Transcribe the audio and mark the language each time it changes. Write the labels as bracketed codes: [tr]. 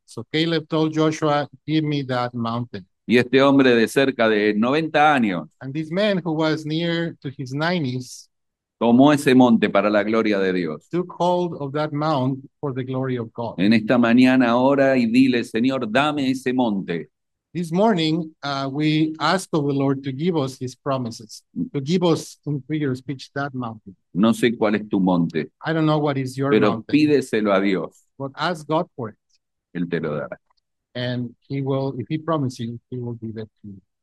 [en] So Caleb told Joshua, give me that mountain. [es] Y este hombre de cerca de 90 años [en] And this man who was near to his 90s [es] tomó ese monte para la gloria de Dios. [en] Took hold of that mount for the glory of God. [es] En esta mañana ora y dile, Señor, dame ese monte. [en] This morning, we ask of the Lord to give us his promises, to give us, in figure of speech, that mountain. [es] No sé cuál es tu monte, [en] I don't know what is your [es] pero [en] mountain, [es] pídeselo a Dios. [en] But ask God for it. [es] Él te lo dará. [en] And he will, if he promises you, he will give it to you.